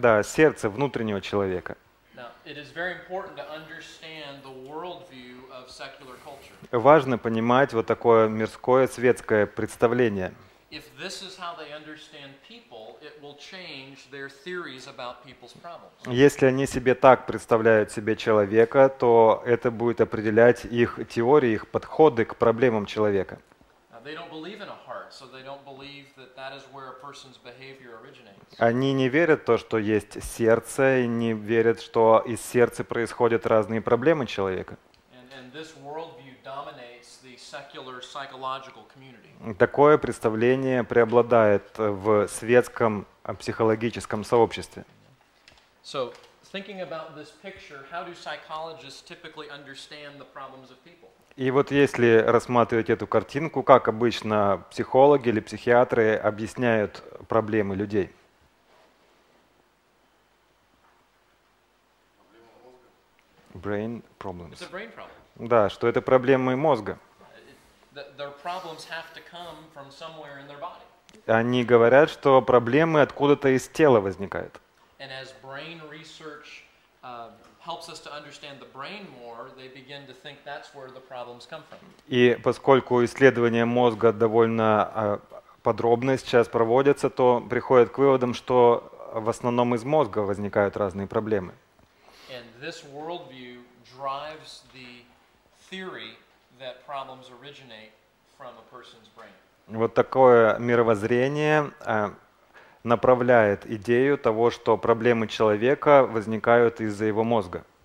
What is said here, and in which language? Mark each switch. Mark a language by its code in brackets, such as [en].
[ru] Да, сердце внутреннего человека. [en] Now, it is very important to understand the worldview of secular culture. [ru] Важно понимать вот такое мирское, светское представление. [en] If this is how they understand people, it will change their theories about people's problems. [ru] Если они себе так представляют себе человека, то это будет определять их теории, их подходы к проблемам человека. [en] They don't believe in a heart, so they don't believe that that is where a person's behavior originates. [ru] Они не верят в то, что есть сердце, и не верят, что из сердца происходят разные проблемы человека. [en] And this worldview dominates secular psychological community. [ru] Такое представление преобладает в светском психологическом сообществе. [en] So, thinking about this picture, how do psychologists typically understand the problems of people? [ru] И вот если рассматривать эту картинку, как обычно психологи или психиатры объясняют проблемы людей? [en] Brain problems. It's a brain problem. [ru] Да, что это проблемы мозга. [en] Their problems have to come from somewhere in their body. [ru] Они говорят, что проблемы откуда-то из тела возникают. [en] And as brain research helps us to understand the brain more, they begin to think that's where the problems come from. [ru] И поскольку исследования мозга довольно подробно сейчас проводятся, то приходят к выводам, что в основном из мозга возникают разные проблемы. [en] And this worldview drives the theory that problems originate from a person's brain. [ru] Вот такое мировоззрение направляет идею того, что проблемы человека возникают из-за его мозга.